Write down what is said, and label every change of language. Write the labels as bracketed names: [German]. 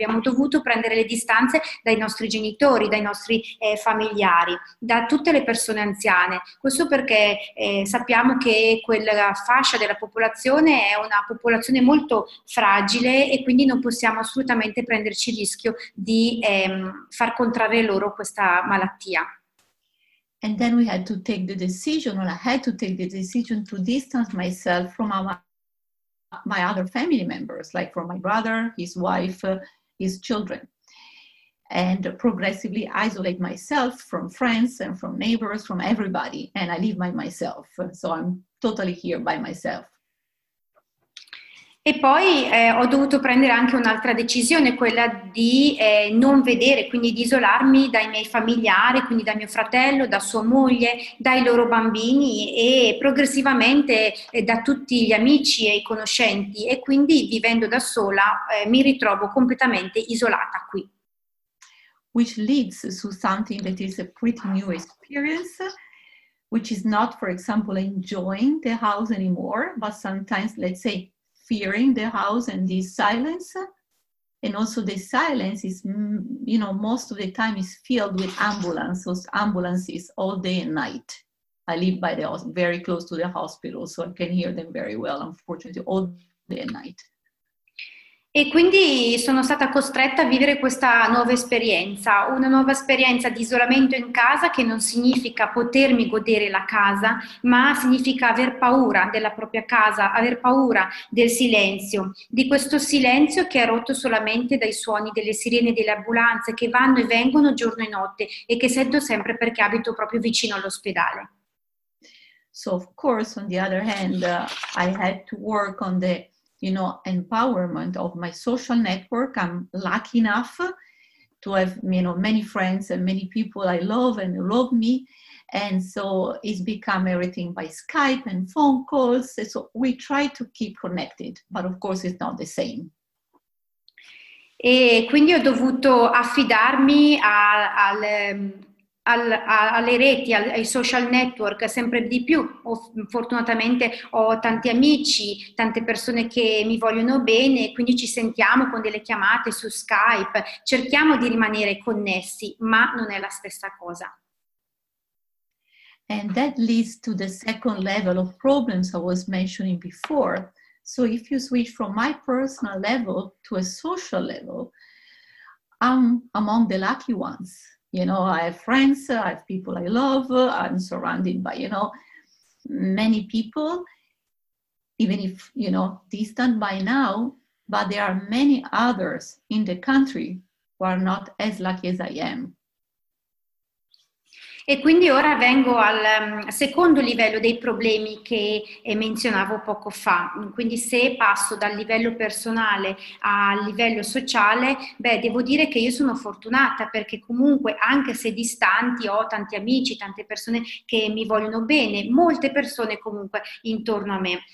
[Italian] Abbiamo dovuto prendere le distanze dai nostri genitori, dai nostri familiari, da tutte le persone anziane. Questo perché sappiamo che quella fascia della popolazione è una popolazione molto fragile, e quindi non possiamo assolutamente prenderci il rischio di far contrarre loro questa malattia. [English] And then we had to take the decision, or I had to take the decision to distance myself from my other family members, like from my brother, his wife, his children, and progressively isolate myself from friends and from neighbors, from everybody, and I live by myself, so I'm totally here by myself. [Italian] E poi ho dovuto prendere anche un'altra decisione, quella di non vedere, quindi di isolarmi dai miei familiari, quindi da mio fratello, da sua moglie, dai loro bambini e progressivamente da tutti gli amici e i conoscenti. E quindi vivendo da sola mi ritrovo completamente isolata qui. [English] Which leads to something that is a pretty new experience, which is not, for example, enjoying the house anymore, but sometimes, let's say, fearing the house and the silence. And also the silence is, you know, most of the time is filled with ambulances all day and night. I live by the house, very close to the hospital, so I can hear them very well, unfortunately, all day and night. [Italian] E quindi sono stata costretta a vivere questa nuova esperienza, una nuova esperienza di isolamento in casa che non significa potermi godere la casa, ma significa aver paura della propria casa, aver paura del silenzio, di questo silenzio che è rotto solamente dai suoni delle sirene delle ambulanze che vanno e vengono giorno e notte e che sento sempre perché abito proprio vicino all'ospedale. [English] So of course, on the other hand, I had to work on the empowerment of my social network. I'm lucky enough to have, you know, many friends and many people I love and love me. And so it's become everything by Skype and phone calls. So we try to keep connected, but of course it's not the same. [Italian] E quindi ho dovuto affidarmi alle reti, ai social network, sempre di più. Fortunatamente ho tanti amici, tante persone che mi vogliono bene, quindi ci sentiamo con delle chiamate su Skype, cerchiamo di rimanere connessi, ma non è la stessa cosa. [English] And that leads to the second level of problems I was mentioning before. So if you switch from my personal level to a social level, I'm among the lucky ones. You know, I have friends, I have people I love, I'm surrounded by, you know, many people, even if, you know, distant by now, but there are many others in the country who are not as lucky as I am. [Italian] E quindi ora vengo al secondo livello dei problemi che menzionavo poco fa. Quindi se passo dal livello personale al livello sociale, beh, devo dire che io sono fortunata perché comunque anche se distanti ho tanti amici, tante persone che mi vogliono bene, molte persone comunque intorno a me.